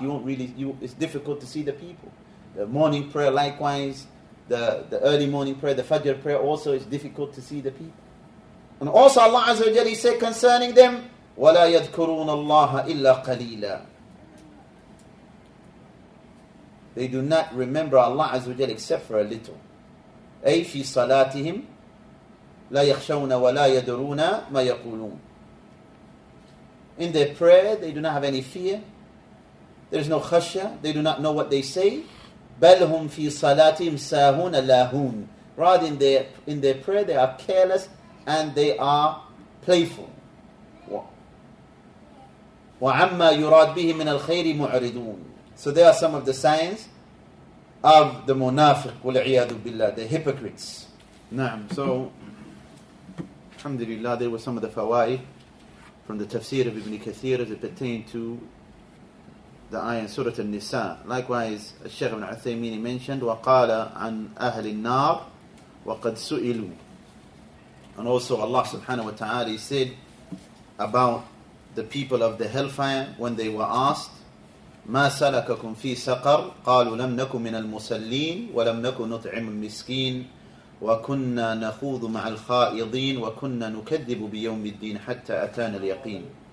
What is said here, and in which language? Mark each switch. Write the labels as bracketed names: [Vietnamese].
[English] It's difficult to see the people. The morning prayer likewise, the early morning prayer, the Fajr prayer also, it's difficult to see the people. And also Allah Azza wa Jalla, he said concerning them, [Arabic] وَلَا يَذْكُرُونَ اللَّهَ إِلَّا قَلِيلًا. [English] They do not remember Allah Azza wa Jalla except for a little. [Arabic] أَيْ فِي صَلَاتِهِمْ لا يخشون ولا يدرون ما يقولون. [English] In their prayer, they do not have any fear. There is no خشية. They do not know what they say. [Arabic] بل هم في صلاتهم ساهون لاهون. [English] Rather, in their prayer, they are careless and they are playful. [Arabic] وعما يراد به من الخير معرضون. [English] So there are some of the signs of the منافق [Arabic] والعياذ بالله, [English] the hypocrites. [Arabic] نعم. [English] So alhamdulillah, there were some of the fawaid from the tafsir of Ibn Kathir as it pertained to the ayah Surah An-Nisa. Likewise, Al-Shaykh ibn Uthaymeen mentioned, [Arabic] وَقَالَ عَنْ أَهْلِ النَّارِ وَقَدْ سُئِلُوا. [English] And also Allah subhanahu wa ta'ala said about the people of the hellfire when they were asked, [Arabic] مَا سَلَكَكُمْ فِي سَقَرْ قَالُوا لَمْ نَكُمْ مِنَ الْمُسَلِّينَ وَلَمْ نَكُمْ نُطْعِمُ الْمِسْكِينَ وَكُنَّا نَخُوضُ مَعَ الْخَائِضِينَ وَكُنَّا نُكَذِّبُ بِيَوْمِ الدِّينِ حَتَّى أَتَانَ الْيَقِينَ.